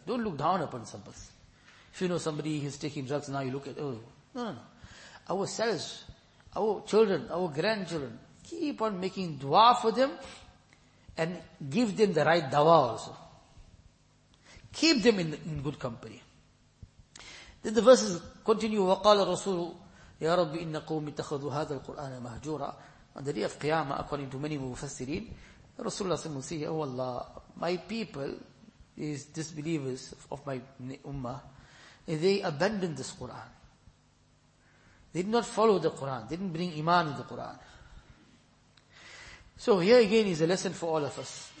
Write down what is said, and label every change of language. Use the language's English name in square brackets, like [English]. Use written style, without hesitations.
[English] Don't look down upon somebody. If you know somebody who's taking drugs, now you look at, oh, no. Ourselves, our children, our grandchildren, keep on making dua for them and give them the right dawa also. Keep them in good company. Then the verses continue, [Arabic] وَقَالَ رَسُولُ يَا رَبِّ إِنَّ قَوْمِ اتَّخَذُوا هَذَا الْقُرْآنَ مَهْجُورًا. [English] On the day of Qiyamah, according to many Mufassirin, Rasulullah SAW will say, oh Allah, my people, these disbelievers of my ummah, they abandoned this Qur'an. They did not follow the Qur'an. They didn't bring iman in the Qur'an. So here again is a lesson for all of us.